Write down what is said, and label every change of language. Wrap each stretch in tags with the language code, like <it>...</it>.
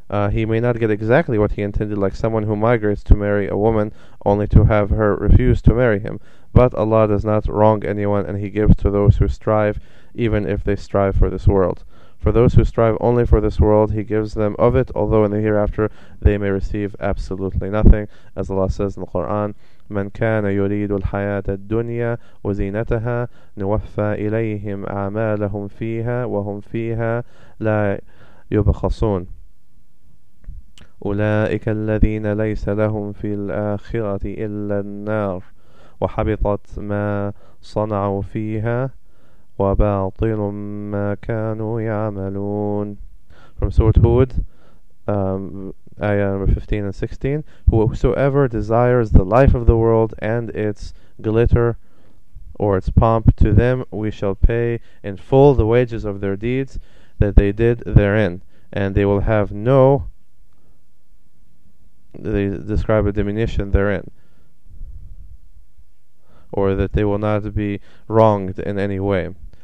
<en>He may not get exactly what he intended, like someone who migrates to marry a woman only to have her refuse to marry him. But Allah does not wrong anyone, and He gives to those who strive, even if they strive for this world. For those who strive only for this world, He gives them of it, although in the hereafter they may receive absolutely nothing. As Allah says in the Quran,</en> <ar>مَنْ كَانَ يُرِيدُ الْحَيَاةَ الدُّنْيَا وَزِينَتَهَا نُوَفَّى إِلَيْهِمْ أَعْمَالَهُمْ فِيهَا وَهُمْ فِيهَا لَا يُبْخَصُونَ أولئك الذين ليس لهم في الآخرة إلا النار وحبطت ما صنعوا فيها وباطل ما كانوا يعملون.</ar> <en>From Surah Hud, ayah number 15 and 16. Whosoever desires the life of the world and its glitter or its pomp, to them we shall pay in full the wages of their deeds that they did therein, and they will have no, they describe a diminution therein, or that they will not be wronged in any way.</en>